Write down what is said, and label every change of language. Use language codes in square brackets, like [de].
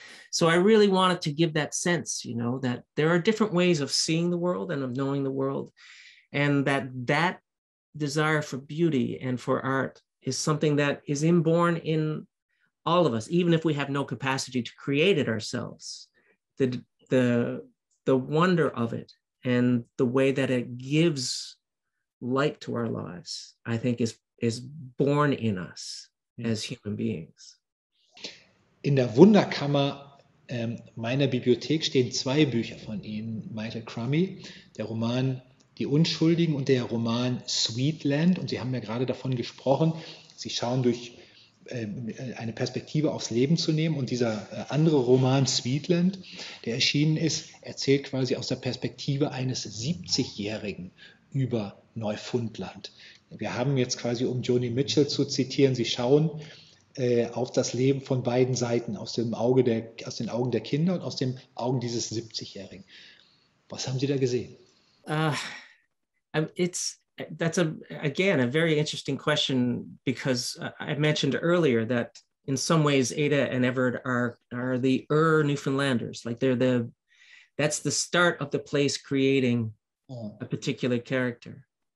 [en] So I really wanted to give that sense, you know, that there are different ways of seeing the world and of knowing the world, and that that desire for beauty and for art is something that is inborn in all of us, even if we have no capacity to create it ourselves. The wonder of it and the way that it gives light to our lives, I think is born in us as human beings. [de] In der Wunderkammer meiner Bibliothek stehen zwei Bücher von Ihnen, Michael Crummy, der Roman Die Unschuldigen und der Roman Sweetland. Und Sie haben ja gerade davon gesprochen, Sie schauen durch eine Perspektive aufs Leben zu nehmen. Und dieser andere Roman Sweetland, der erschienen ist, erzählt quasi aus der Perspektive eines 70-Jährigen über Neufundland. Wir haben jetzt quasi, um Joni Mitchell zu zitieren, Sie schauen auf das Leben von beiden Seiten, aus den Augen der Kinder und aus den Augen dieses 70-Jährigen. Was haben Sie da gesehen? [en] That's a very interesting question, because I mentioned earlier that in some ways Ada and Everett are the Newfoundlanders. Like that's the start of the place creating a particular character.